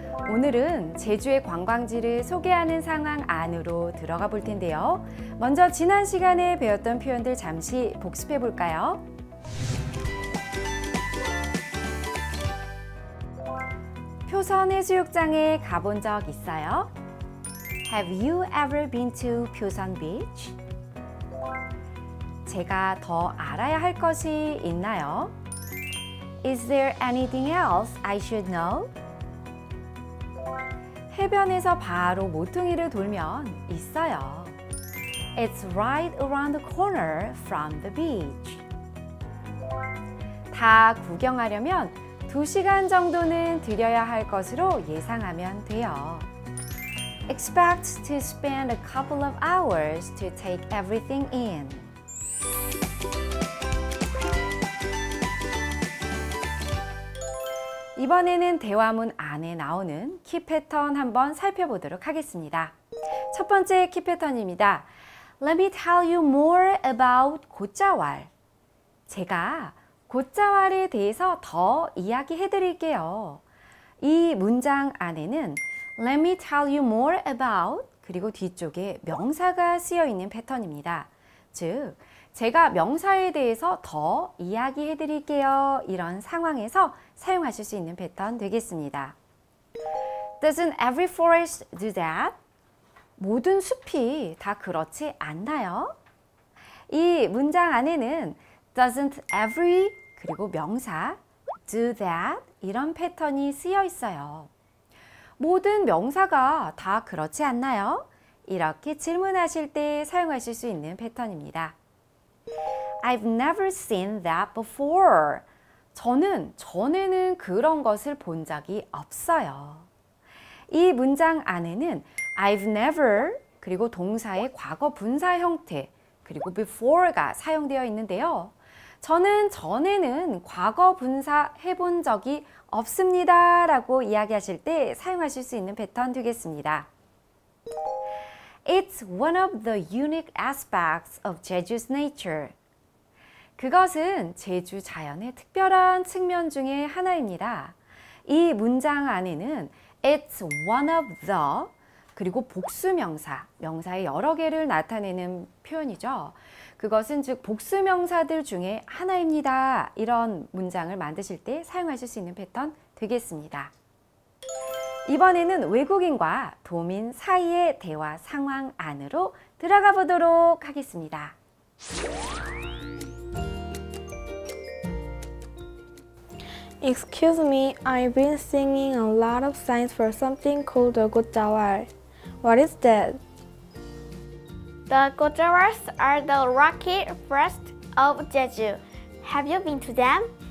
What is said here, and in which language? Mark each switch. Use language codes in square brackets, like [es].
[ko] 오늘은 제주의 관광지를 소개하는 상황 안으로 들어가 볼 텐데요. 먼저 지난 시간에 배웠던 표현들 잠시 복습해 볼까요? 표선 해수욕장에 가본 적 있어요? [en] Have you ever been to 표선 beach? [ko] 제가 더 알아야 할 것이 있나요? [en] Is there anything else I should know? [ko] 해변에서 바로 모퉁이를 돌면 있어요. [en] It's right around the corner from the beach. [ko] 다 구경하려면 2시간 정도는 들여야 할 것으로 예상하면 돼요. [en] Expect to spend a couple of hours to take everything in. [ko] 이번에는 대화문 안에 나오는 키 패턴 한번 살펴보도록 하겠습니다. 첫 번째 키 패턴입니다. [en] Let me tell you more about 곶자왈. [ko] 제가 곶자왈에 대해서 더 이야기해 드릴게요. 이 문장 안에는 [en] Let me tell you more about [ko] 그리고 뒤쪽에 명사가 쓰여 있는 패턴입니다. 즉, 제가 명사에 대해서 더 이야기해 드릴게요. 이런 상황에서 사용하실 수 있는 패턴 되겠습니다. [en] Doesn't every forest do that? [ko] 모든 숲이 다 그렇지 않나요? 이 문장 안에는 [en] doesn't every [ko] 그리고 명사 [en] do that [ko] 이런 패턴이 쓰여 있어요. 모든 명사가 다 그렇지 않나요? 이렇게 질문하실 때 사용하실 수 있는 패턴입니다. [en] I've never seen that before. [ko] 저는 전에는 그런 것을 본 적이 없어요. 이 문장 안에는 [en] I've never [ko] 그리고 동사의 과거 분사 형태 그리고 before가 사용되어 있는데요. 저는 전에는 과거 분사 해본 적이 없습니다 라고 이야기하실 때 사용하실 수 있는 패턴 되겠습니다. [en] It's one of the unique aspects of Jeju's nature. [ko] 그것은 제주 자연의 특별한 측면 중에 하나입니다. 이 문장 안에는 [en] It's one of the [ko] 그리고 복수명사, 명사의 여러 개를 나타내는 표현이죠. 그것은 즉 복수명사들 중에 하나입니다. 이런 문장을 만드실 때 사용하실 수 있는 패턴 되겠습니다. 이번에는 외국인과 도민 사이의 대화 상황 안으로 들어가 보도록 하겠습니다. [en] 'Excuse me, I've been seeing a lot of signs for something called the 곶자왈. What is that? The 곶자�als are the rocky forest of Jeju. Have you been to them?